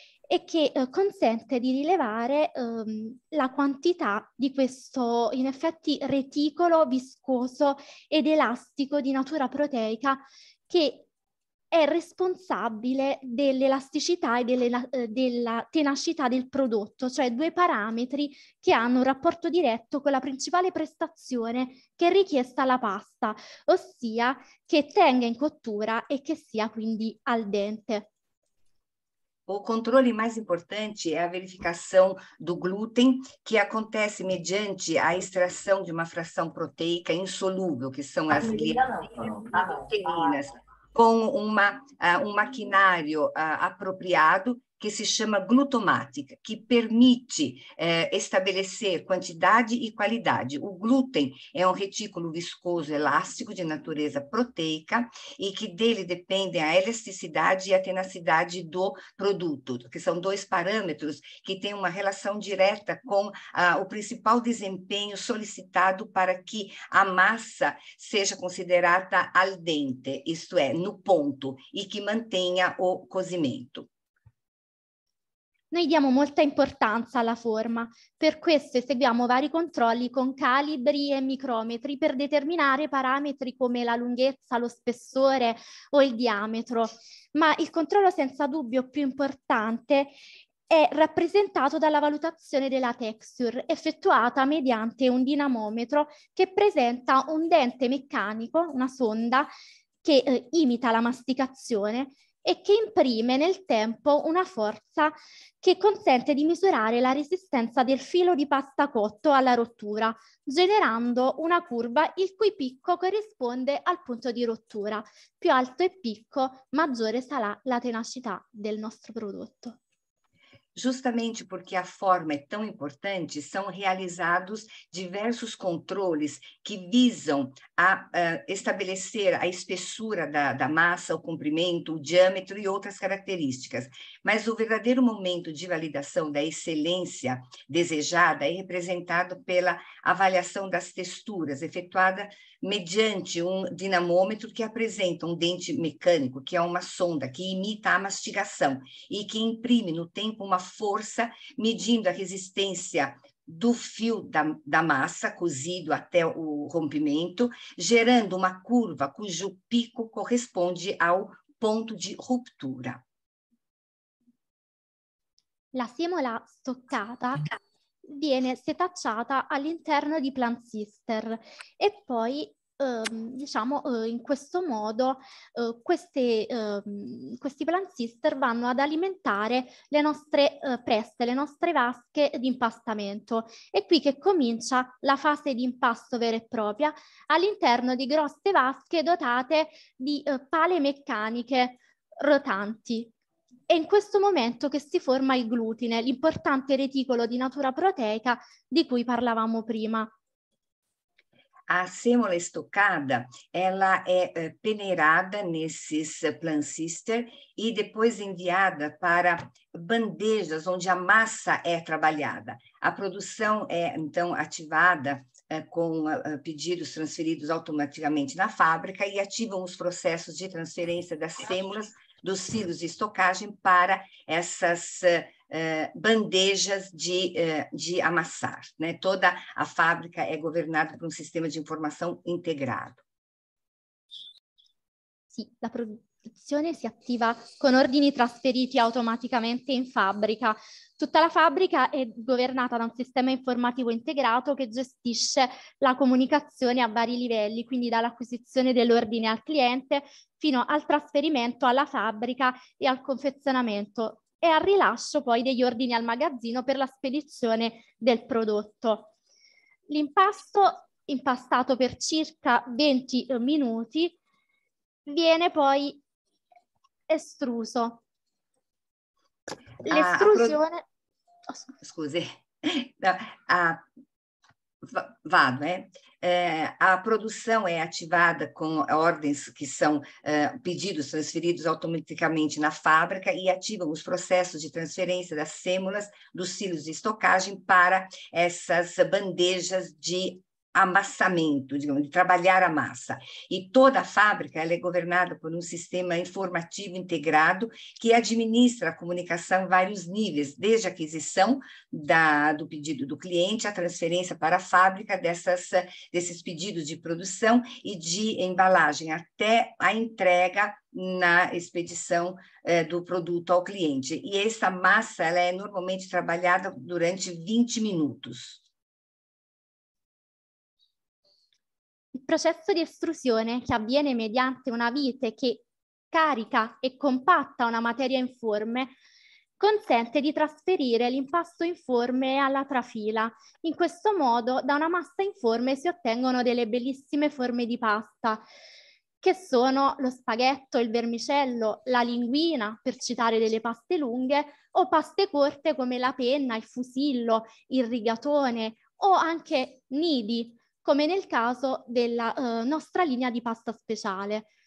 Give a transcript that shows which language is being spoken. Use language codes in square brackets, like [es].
[it] E che consente di rilevare la quantità di questo, in effetti, reticolo viscoso ed elastico di natura proteica che è responsabile dell'elasticità e della tenacità del prodotto, cioè due parametri che hanno un rapporto diretto con la principale prestazione che è richiesta alla pasta, ossia che tenga in cottura e che sia quindi al dente. [pt] O controle mais importante é a verificação do glúten, que acontece mediante a extração de uma fração proteica insolúvel, que são A não, falou. e as gluteninas, com um maquinário apropriado, que se chama Glutomatic, que permite estabelecer quantidade e qualidade. O glúten é um retículo viscoso elástico de natureza proteica e que dele dependem a elasticidade e a tenacidade do produto, que são dois parâmetros que têm uma relação direta com o principal desempenho solicitado para que a massa seja considerada al dente, isto é, no ponto, e que mantenha o cozimento. [it] Noi diamo molta importanza alla forma, per questo eseguiamo vari controlli con calibri e micrometri per determinare parametri come la lunghezza, lo spessore o il diametro. Ma il controllo senza dubbio più importante è rappresentato dalla valutazione della texture, effettuata mediante un dinamometro che presenta un dente meccanico, una sonda che imita la masticazione, e che imprime nel tempo una forza che consente di misurare la resistenza del filo di pasta cotto alla rottura, generando una curva il cui picco corrisponde al punto di rottura. Più alto è il picco, maggiore sarà la tenacità del nostro prodotto. [pt] Justamente porque a forma é tão importante, são realizados diversos controles que visam a estabelecer a espessura da massa, o comprimento, o diâmetro e outras características. Mas o verdadeiro momento de validação da excelência desejada é representado pela avaliação das texturas, efetuada mediante um dinamômetro que apresenta um dente mecânico, que é uma sonda que imita a mastigação e que imprime no tempo uma força, medindo a resistência do fio da massa cozido até o rompimento, gerando uma curva cujo pico corresponde ao ponto de ruptura. [it] La semola stoccata viene setacciata all'interno di plansister e poi, diciamo, in questo modo, questi plansister vanno ad alimentare le nostre preste, le nostre vasche di impastamento. È qui che comincia la fase di impasto vera e propria all'interno di grosse vasche dotate di pale meccaniche rotanti. È in questo momento che si forma il glutine, l'importante reticolo di natura proteica di cui parlavamo prima. [pt] A sêmola estocada, ela é peneirada nesses plansister e depois enviada para bandejas onde a massa é trabalhada. A produção é então ativada com pedidos transferidos automaticamente na fábrica e ativam os processos de transferência das sêmulas dos silos de estocagem para essas bandejas de amassar, né? Toda a fábrica é governada por um sistema de informação integrado. [it] Sim, la produzione si attiva con ordini trasferiti automaticamente in fabbrica. Tutta la fabbrica è governata da un sistema informativo integrato che gestisce la comunicazione a vari livelli, quindi dall'acquisizione dell'ordine al cliente fino al trasferimento alla fabbrica e al confezionamento e al rilascio poi degli ordini al magazzino per la spedizione del prodotto. L'impasto, impastato per circa 20 minuti, viene poi estruso. L'estrusione... [pt] A produção é ativada com ordens que são pedidos transferidos automaticamente na fábrica e ativam os processos de transferência das sêmulas dos silos de estocagem para essas bandejas de amassamento, digamos, de trabalhar a massa. E toda a fábrica ela é governada por um sistema informativo integrado que administra a comunicação em vários níveis, desde a aquisição do pedido do cliente, a transferência para a fábrica desses pedidos de produção e de embalagem, até a entrega na expedição do produto ao cliente. E essa massa ela é normalmente trabalhada durante 20 minutos. [it] Il processo di estrusione, che avviene mediante una vite che carica e compatta una materia informe, consente di trasferire l'impasto informe alla trafila. In questo modo, da una massa informe si ottengono delle bellissime forme di pasta, che sono lo spaghetto, il vermicello, la linguina, per citare delle paste lunghe, o paste corte come la penna, il fusillo, il rigatone o anche nidi, come nel caso della nostra linea di pasta speciale.